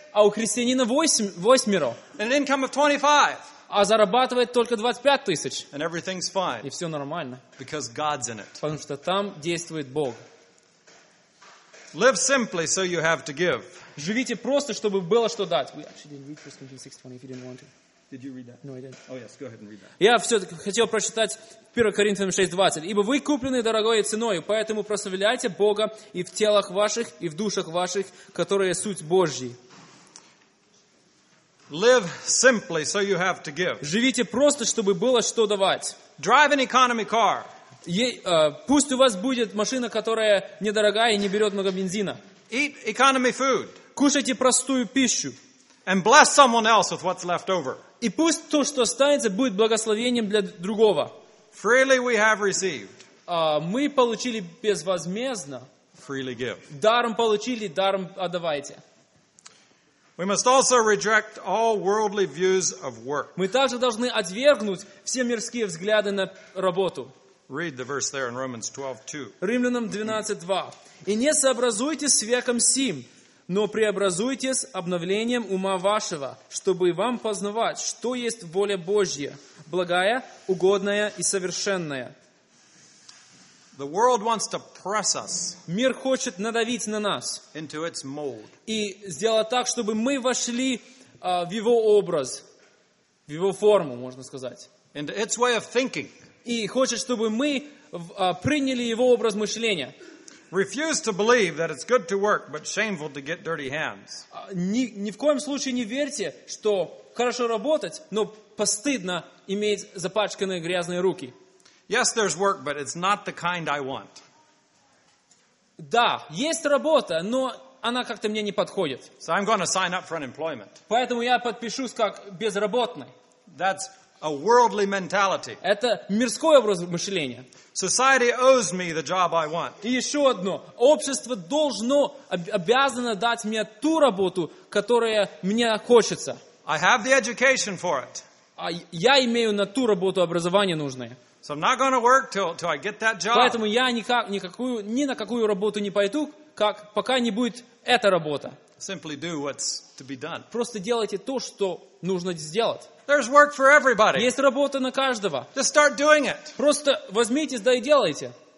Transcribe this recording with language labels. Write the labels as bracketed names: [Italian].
[Russian] А у христианина восьмеро. [English] And an income of 25. [Russian] А зарабатывает только 25,000. [English] And everything's fine. [Russian] И все нормально. [English] Because God's in it. [Russian] Потому что там действует Бог. [English] Live simply so you have to give. [Russian] Живите просто, чтобы было что дать. [English] We actually didn't read 1 Corinthians 6:20 if you didn't want to. Did you read that? No, I didn't. Oh yes, go ahead and read that. [Russian] Я все-таки хотел прочитать 1 Коринфянам 6:20. Ибо вы куплены дорогой ценой, поэтому прославляйте Бога и в телах ваших, и в душах ваших, которые суть Божьей. [English] Live simply so you have to give. [Russian] Живите просто, чтобы было что давать. [English] Drive an economy car. [Russian] Пусть у вас будет машина, которая недорогая и не берет много бензина. [English] Eat economy food. [Russian] Кушайте простую пищу. [English] And bless someone else with what's left over. [Russian] И пусть то, что останется, будет благословением для другого. [English] Freely we have received. [Russian] Мы получили безвозмездно. [English] Freely give. [Russian] Даром получили, даром отдавайте. [English] We must also reject all worldly views of work. [Russian] Мы также должны отвергнуть все мирские взгляды на работу. [English] Read the verse there in Romans 12:2. [Russian] Римлянам 12:2. И не сообразуйтесь с веком сим, но преобразуйтесь обновлением ума вашего, чтобы вам познавать, что есть воля Божья, благая, угодная и совершенная. [English] The world wants to press us. [Russian] Мир хочет надавить на нас. [English] Into its mold. [Russian] И сделать так, чтобы мы вошли в его образ, в его форму, можно сказать. [English] Into its way of thinking. [Russian] И хочет, чтобы мы приняли его образ мышления. [English] Refuse to believe that it's good to work, but shameful to get dirty hands. [Russian] Ни в коем случае не верьте, что хорошо работать, но постыдно иметь запачканные грязные руки. [English] Yes, there's work, but it's not the kind I want. [Russian] Да, есть работа, но она как-то мне не подходит. [English] So I'm going to sign up for unemployment. [Russian] Поэтому я подпишусь как безработный. [English] That's a worldly mentality. [Russian] Это мирской образ мышления. [English] Society owes me the job I want. [Russian] И еще одно. Общество должно, обязано дать мне ту работу, которая мне хочется. [English] I have the education for it. [Russian] Я имею на ту работу образование нужное. [English] So I'm not going to work till I get that job. [Russian] Поэтому я ни на какую работу не пойду, как пока не будет эта работа. [English] Simply do what's to be done. [Russian] Просто делайте то, что нужно сделать. [English] There's work for everybody. [Russian] Есть работа на каждого. [English] Just start doing it. [Russian] Просто возьмитесь да и делайте.